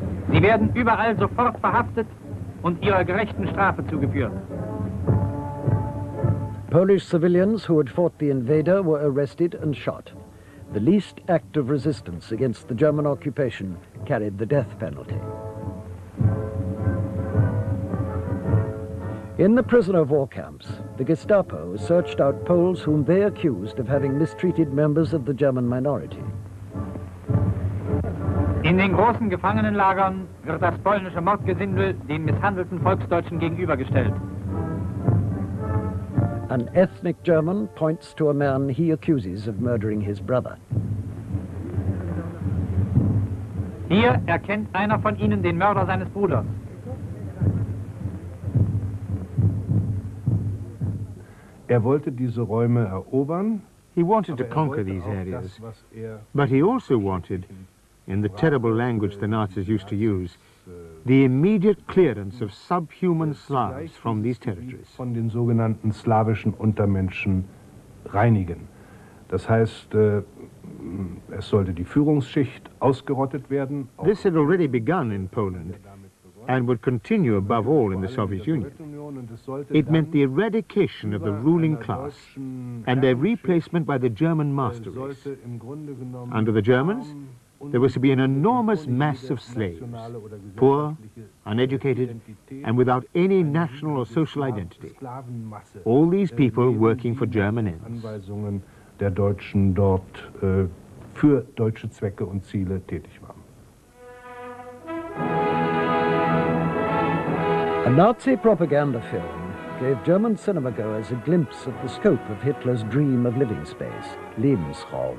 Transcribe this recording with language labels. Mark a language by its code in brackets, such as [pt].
[de] Sie werden überall sofort verhaftet und ihrer gerechten Strafe zugeführt. [en] Polish civilians who had fought the invader were arrested and shot. The least act of resistance against the German occupation carried the death penalty. In the prisoner of war camps, the Gestapo searched out Poles whom they accused of having mistreated members of the German minority. [de] In den großen Gefangenenlagern wird das polnische Mordgesindel den misshandelten Volksdeutschen gegenübergestellt. [en] An ethnic German points to a man he accuses of murdering his brother. [de] Hier erkennt einer von ihnen den Mörder seines Bruders. Er wollte diese Räume erobern. [en] He wanted to conquer these areas, but he also wanted, in the terrible language the Nazis used to use, the immediate clearance of subhuman Slavs from these territories. [de] Von den sogenannten slawischen Untermenschen reinigen. Das heißt, es sollte die Führungsschicht ausgerottet werden. [en] This had already begun in Poland and would continue above all in the Soviet Union. It meant the eradication of the ruling class and their replacement by the German master race. Under the Germans, there was to be an enormous mass of slaves, poor, uneducated, and without any national or social identity. All these people working for German ends. [de] Der Deutschen dort für deutsche Zwecke und Ziele tätig waren. [en] A Nazi propaganda film gave German cinema-goers a glimpse of the scope of Hitler's dream of living space, Lebensraum.